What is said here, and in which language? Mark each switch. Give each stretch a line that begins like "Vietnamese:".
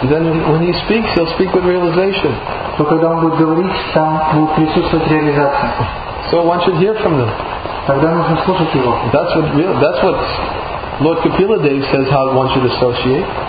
English: then when he speaks, he'll speak with realization.
Russian: То когда он будет говорить, там будет присутствовать реализация.
English: So one should hear from them.
Russian: Тогда нужно слушать его.
English: That's what Lord Kapila Dev says how one should associate.